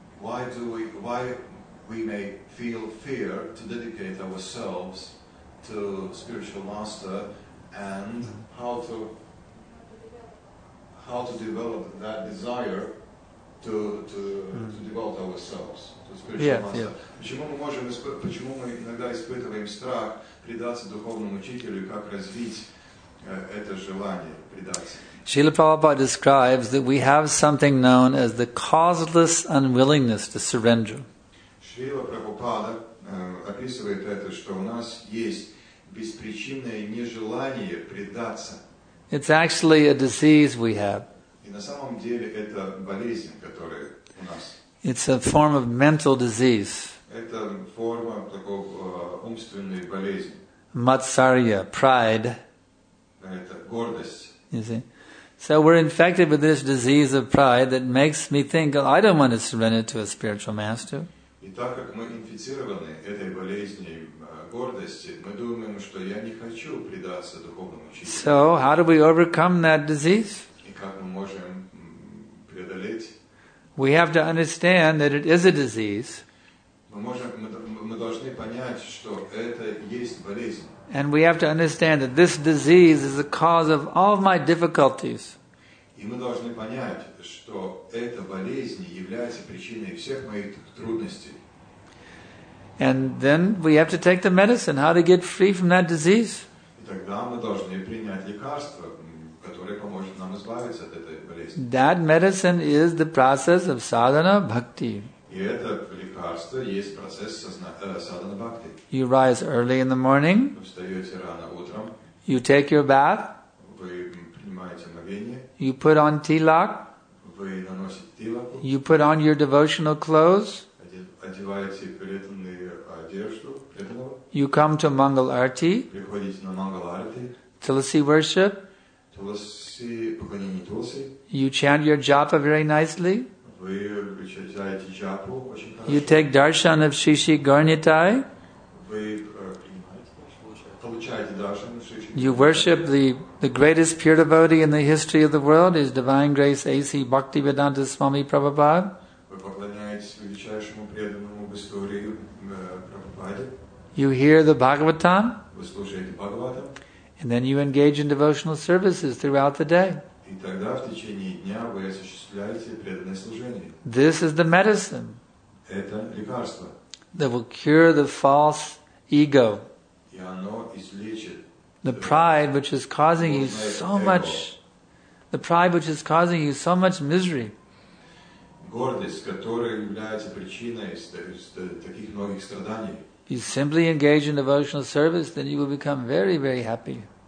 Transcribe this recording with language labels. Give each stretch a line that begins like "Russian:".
English: Why we may feel fear to dedicate ourselves to spiritual master, and how to develop that desire to devote ourselves to spiritual master. Yeah.
Russian: Почему мы иногда испытываем страх предаться духовному учителю, как развить это желание предаться?
English: Srila Prabhupada describes that we have something known as the causeless unwillingness to surrender.
Russian: Srila Prabhupada описывает это, что у нас есть беспричинное нежелание предаться.
English: It's actually a disease we have.
Russian: И на самом деле это болезнь, которая у нас.
English: It's a form of mental disease.
Russian: Это форма такого умственной болезни.
English: Matsarya, pride.
Russian: Это гордость.
English: You see? So we're infected with this disease of pride that makes me think, oh, I don't want to surrender to a spiritual master.
Russian: И так как мы инфицированы этой болезнью гордости, мы думаем, что я не хочу предаться духовному учителю.
English: So how do we overcome that disease?
Russian: И как мы можем преодолеть?
English: We have to understand that it is a disease.
Russian: Мы должны понять, что это есть болезнь.
English: And we have to understand that this disease is the cause of all of my difficulties.
Russian: И мы должны понять, что эта болезнь является причиной всех моих трудностей.
English: And then we have to take the medicine, how to get free from that disease.
Russian: И тогда мы должны принять лекарство, которое поможет нам избавиться от этой болезни.
English: That medicine is the process of sadhana bhakti.
Russian: И это лекарство есть процесс садхана бхакти.
English: You rise early in the morning.
Russian: Вы встаете рано утром.
English: You take your bath.
Russian: Вы принимаете омовение.
English: You put on tilak.
Russian: Вы наносите тилаку.
English: You put on your devotional clothes.
Russian: Одеваете преданную одежду.
English: You come to Mangal Arati.
Russian: Приходите на Mangal Arati.
English: Tulsi worship.
Russian: Tulsi, поклонение Тулси.
English: You chant your japa very nicely.
Russian: Вы читаете джапу очень хорошо.
English: You take darshan of Shishi Garnitai.
Russian: Вы получаете darshan of Shishi
English: Garnitai. You worship the greatest pure devotee in the history of the world, His Divine Grace A.C. Bhaktivedanta Swami Prabhupada.
Russian: Вы поклоняетесь величайшему преданному в истории Прабхупаде.
English: You hear the Bhagavatam.
Russian: Вы слушаете Бхагаватам.
English: And then you engage in devotional services throughout the day.
Russian: И тогда в течение дня вы осуществляете преданное служение.
English: This is the medicine.
Russian: Это лекарство.
English: That will cure the false ego.
Russian: И оно излечит.
English: The pride which is causing you so much. The pride which is causing you so much misery.
Russian: Гордость, которая является причиной таких многих страданий.
English: If you simply engage in devotional service, then you will become very, very happy.